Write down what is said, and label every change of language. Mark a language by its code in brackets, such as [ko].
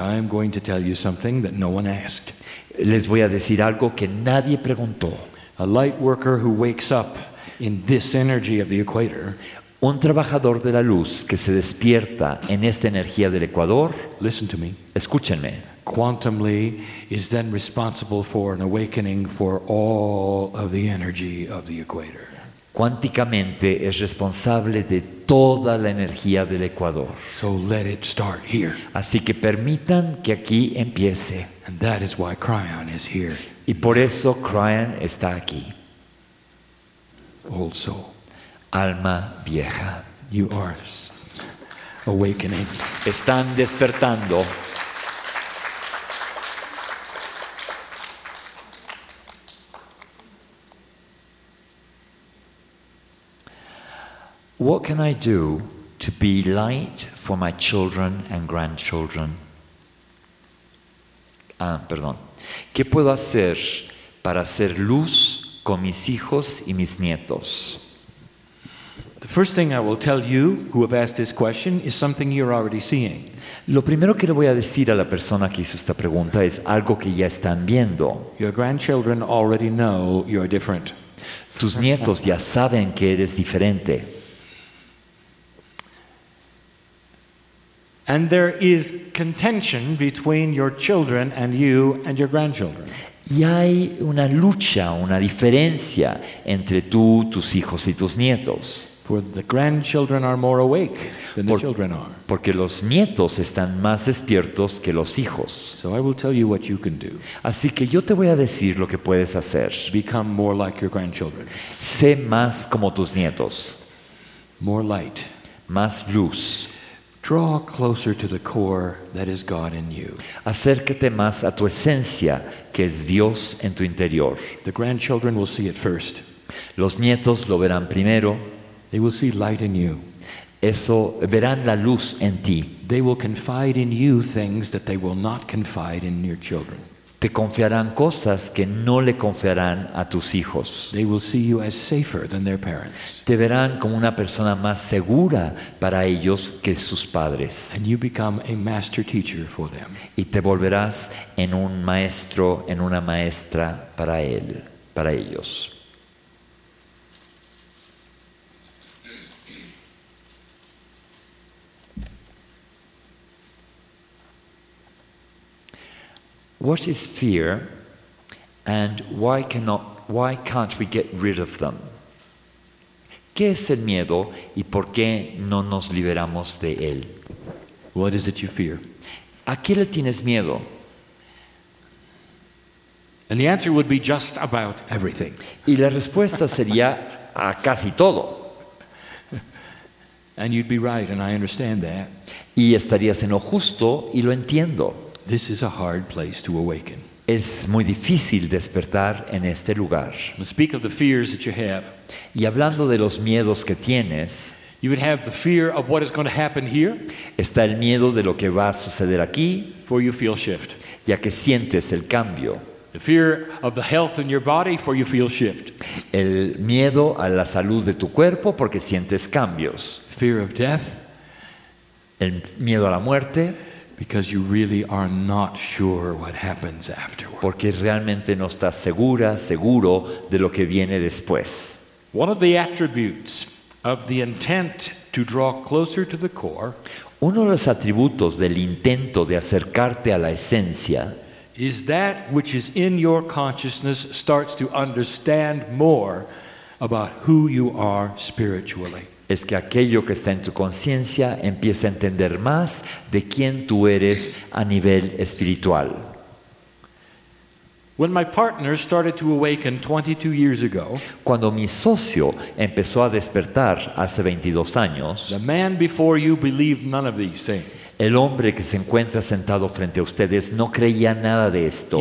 [en] I'm going to tell you something that no one asked. [es] Les voy a decir algo que nadie preguntó. [en] A light worker who wakes up in this energy of the equator. [es] Un trabajador de la luz que se despierta en esta energía del Ecuador. [en] Listen to me. [es] Escúchenme. [en] Quantumly is then responsible for an awakening for all of the energy of the equator. [es] Cuánticamente es responsable de toda la energía del Ecuador. [en] So let it start here. [es] Así que permitan que aquí empiece. [en] And that is why Cryon is here. [es] Y por eso Cryon está aquí. [en] Also. [es] Alma vieja. [en] You are awakening. [es] Están despertando. [en] What can I do to be light for my children and grandchildren? [es] Ah, perdón. ¿Qué puedo hacer para ser luz con mis hijos y mis nietos? [en] The first thing I will tell you who have asked this question is something you're already seeing. [es] Lo primero que le voy a decir a la persona que hizo esta pregunta es algo que ya están viendo. [en] Your grandchildren already know you're different. [es] Tus nietos ya saben que eres diferente. [en] And there is contention between your children and you and your grandchildren. [es] Y hay una lucha, una diferencia entre tú, tus hijos y tus nietos. [en] For the grandchildren are more awake than the children are. [es] Porque los nietos están más despiertos que los hijos. [en] So I will tell you what you can do. [es] Así que yo te voy a decir lo que puedes hacer. [en] Become more like your grandchildren. [es] Sé más como tus nietos. [en] More light. [es] Más luz. [en] Draw closer to the core that is God in you. [es] Acércate más a tu esencia, que es Dios en tu interior. [en] The grandchildren will see it first. [es] Los nietos lo verán primero. [en] They will see light in you. [es] Eso, verán la luz en ti. [en] They will confide in you things that they will not confide in your children. [es] Te confiarán cosas que no le confiarán a tus hijos. [en] They will see you as safer than their parents. [es] Te verán como una persona más segura para ellos que sus padres. [en] And you become a master teacher for them. [es] Y te volverás en un maestro, en una maestra para él, para ellos. [en] What is fear, and why can't we get rid of them? [es] ¿Qué es el miedo y por qué no nos liberamos de él? [en] What is it you fear? [es] ¿A qué le tienes miedo? [en] And the answer would be just about everything. [es] Y la respuesta sería a casi todo. [en] And you'd be right, and I understand that. [es] Y estarías en lo justo y lo entiendo. [en] This is a hard place to awaken. [es] Es muy difícil despertar en este lugar. [en] Speak of the fears that you have. [es] Y hablando de los miedos que tienes, [en] you would have the fear of what is going to happen here. [es] Está el miedo de lo que va a suceder aquí. [en] For you feel shift. [es] Ya que sientes el cambio. [en] The fear of the health in your body, for you feel shift. [es] El miedo a la salud de tu cuerpo porque sientes cambios. [en] Fear of death. [es] El miedo a la muerte. [en] Because you really are not sure what happens afterward. [es] Porque realmente no estás segura, seguro de lo que viene después. [en] One of the attributes of the intent to draw closer to the core. [es] Uno de los atributos del intento de acercarte a la esencia [en] is that which is in your consciousness starts to understand more about who you are spiritually. [es] Es que aquello que está en tu conciencia empieza a entender más de quién tú eres a nivel espiritual. [en] When my partner started to awaken 22 years ago, [es] cuando mi socio empezó a despertar hace 22 años, [en] the man before you believed none of these things. [es] El hombre que se encuentra sentado frente a ustedes no creía nada de esto.